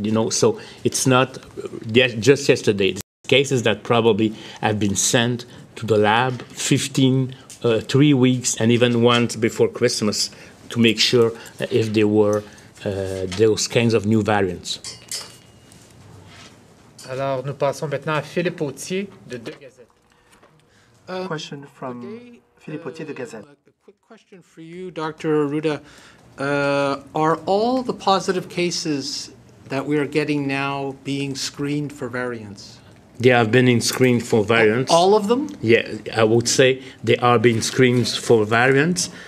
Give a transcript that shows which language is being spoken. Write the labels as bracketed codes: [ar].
[en] So it's not just yesterday. It's cases that probably have been sent to the lab 3 weeks and even once before Christmas to make sure if there were those kinds of new variants. [fr] Alors, nous passons maintenant à Philippe Autier de Deux Gazettes. [en] Question from Philippe Autier de Gazette. Quick question for you, Dr. Arruda. Are all the positive cases that we are getting now being screened for variants? They have been in screened for variants. All of them? Yeah, I would say they are being screened for variants.